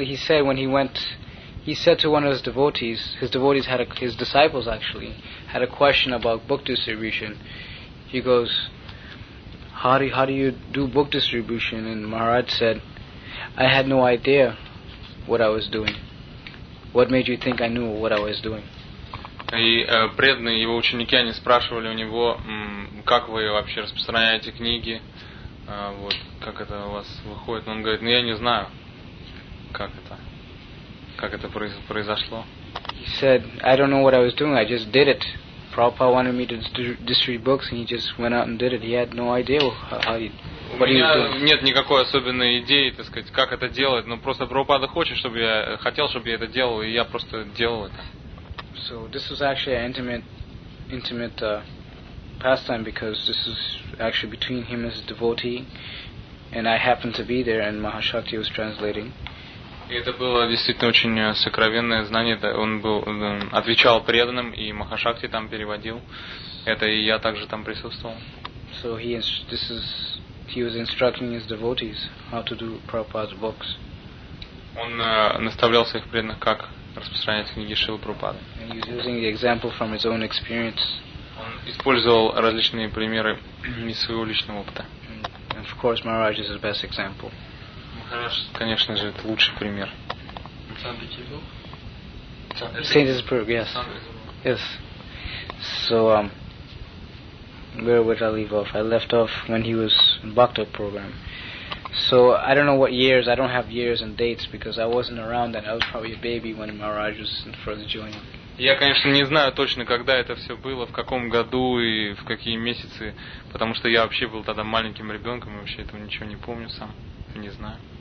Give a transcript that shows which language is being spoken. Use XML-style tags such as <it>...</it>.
<en>He said to one of his disciples had a question about book distribution. He goes, how do you do book distribution? And Maharaj said, I had no idea what I was doing. What made you think I knew what I was doing?</en> <ru>И преданные его ученики, они спрашивали у него, как вы вообще распространяете книги, вот как это у вас выходит. Он говорит, ну я не знаю, как это произошло.</ru> <en>He said, I don't know what I was doing. I just did it. Prabhupada wanted me to distribute books, and he just went out and did it. He had no idea how he.</en> <ru>У меня нет никакой особенной идеи, так сказать, как это делать, но просто Прабхупада хотел, чтобы я это делал, и я просто делал это.</ru> <en>So this was actually an intimate pastime, because this was actually between him as a devotee, and I happened to be there, and Mahashakti was translating.</en> <ru>И это было действительно очень сокровенное знание. Он был отвечал преданным, и Махашакти там переводил. Это и я также там присутствовал.</ru> <en>So he was instructing his devotees how to do Prabhupada's books.</en> <ru>Он наставлял своих преданных, как распространять книги Шрилы Прабхупады.</ru> <en>And he was using the example from his own experience.</en> <ru>Он использовал различные примеры из своего личного опыта.</ru> <en>And of course, Maharaj is the best example.</en> <ru>Maharaj, конечно же, это лучший пример.</ru> <en>Saint Petersburg, yes. Yes. So, where would I leave off? I left off when he was in Bhakta program. So I don't know what years, I don't have years and dates, because I wasn't around then. I was probably a baby when Maharaj was first joining.</en> <ru>Я, конечно, не знаю точно, когда это все было, в каком году и в какие месяцы, потому что я вообще был тогда маленьким ребенком и вообще этого ничего не помню сам. Не знаю.</ru>